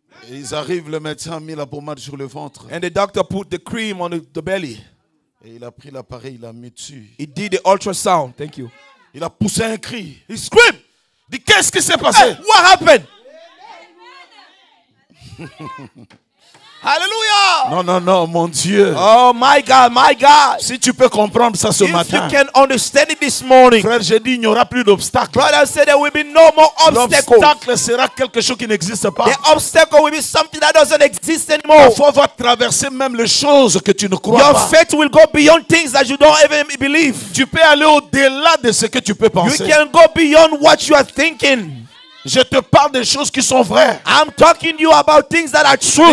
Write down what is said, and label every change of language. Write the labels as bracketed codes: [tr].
[fr] Et ils arrivent, le médecin a mis la pommade sur le ventre. [en] And the doctor put the cream on the belly. [fr] Et il a pris l'appareil, il l'a mis dessus. [en] He did the ultrasound. Thank you. [fr] Il a poussé un cri. [en] He screamed. [fr] Il dit, qu'est-ce qui s'est passé? [en] Hey, what happened? Hallelujah! [fr] Non, non, non, mon Dieu. [en] Oh my God, my God. [fr] Si tu peux comprendre ça ce [en] if [fr] matin. [en] If you can understand it this morning. [fr] Frère, j'ai dit, il n'y aura plus d'obstacles. [en] Brother, I said there will be no more obstacles. [fr] L'obstacle sera quelque chose qui n'existe pas. [en] The obstacle will be something that doesn't exist anymore. [fr] Parfois, va traverser même les choses que tu ne crois [en] your [fr] pas. [en] Your faith will go beyond things that you don't even believe. [fr] Tu peux aller au-delà de ce que tu peux penser. [en] You can go beyond what you are thinking. [fr] Je te parle des choses qui sont vraies. [en] I'm talking to you about things that are true.